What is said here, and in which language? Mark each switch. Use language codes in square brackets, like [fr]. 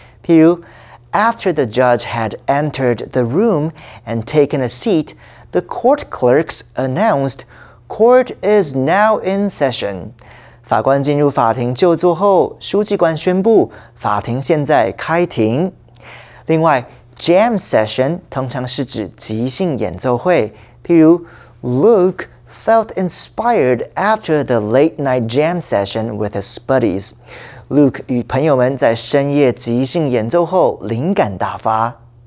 [zh] 譬如 [en] after the judge had entered the room and taken a seat, the court clerks announced, "Court is now in session." [zh] 法官进入法庭就座后，书记官宣布法庭现在开庭。另外 [en] Jam session [zh] 通常是指即兴演奏会，譬如 [en] Luke felt inspired after the late night jam session with his buddies. [zh] Luke 与朋友们在深夜即兴演奏后灵感大发。